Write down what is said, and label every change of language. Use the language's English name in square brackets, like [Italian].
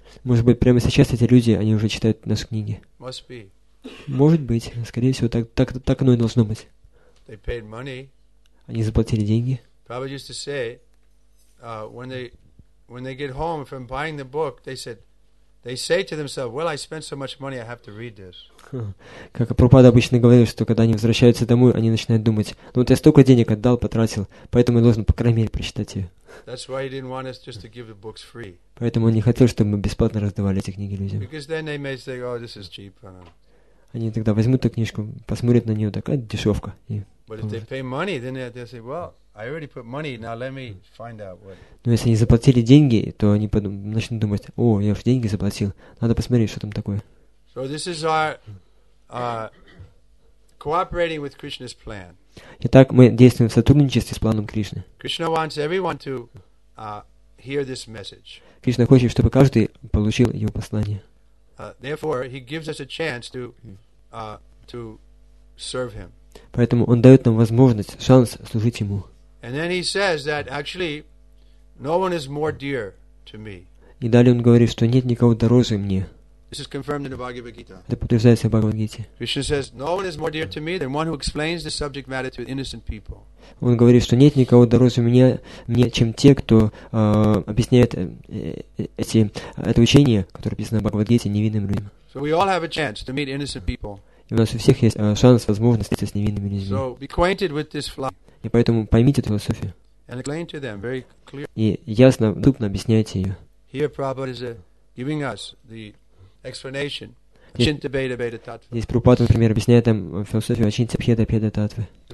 [Russian] Может быть, прямо сейчас эти люди, они уже читают наши книги. [English] Must be. [Russian] Может быть, скорее всего так оно и должно быть. [English] They paid money. [Russian] Они заплатили деньги. [English] Prabhupada used to say, when they get home from buying the book, they said. They say to themselves, "Well, I spent so much money, I have to read this." [Russian] Как Прабхупада обычно говорил, что когда они возвращаются домой, они начинают думать: "Ну вот я столько денег отдал, потратил, поэтому я должен по крайней мере прочитать ее." [English] That's why he didn't want us just to give the books free. [Russian] Поэтому он не хотел, чтобы мы бесплатно раздавали эти книги людям. [English] Because then they may say, "Oh, this is cheap." [Russian] Они тогда возьмут эту книжку, посмотрят на нее, такая дешевка. [English] But if they pay money, then they say, "Well, I already put money. Now let me find out what." [Russian] Но если они заплатили деньги, то они начнут думать: "О, я же деньги заплатил. Надо посмотреть, что там такое." [English] So this is our cooperating with Krishna's plan. [Russian] Итак, мы действуем в сотрудничестве с планом Кришны. [English] Krishna wants everyone to hear this message. [Russian] Кришна хочет, чтобы каждый получил его послание. [English] Therefore, he gives us a chance to serve him. [Russian] Поэтому он дает нам возможность, шанс служить ему. [English] And then he says that actually, no one is more dear to me. [Russian] И далее он говорит, что нет никого дороже мне. [English] This is confirmed in the Bhagavad Gita. [Russian] Это подтверждается в Бхагавад-гите. [English] Krishna says, no one is more dear to me than one who explains the subject matter to innocent people. [Russian] Он говорит, что нет никого дороже мне, чем те, кто объясняет это учение, которое описано в Бхагавад-гите, невинным людям. [English] So we all have a chance to meet innocent people. [Russian] И у нас у всех есть шанс, возможность встретиться с невинными людьми. [English] So, be acquainted with this philosophy. [Russian] И поэтому поймите эту философию. [English] And explain to them very clearly. [Russian] И ясно, вдупно объясняйте ее. [English] Here Prabhupada is giving us the explanation. [Sanskrit] Ачинтабхеда-бхеда-таттва. [Russian] Здесь Прабхупада, например, объясняет нам философию Ачинтабхеда-бхеда-таттва.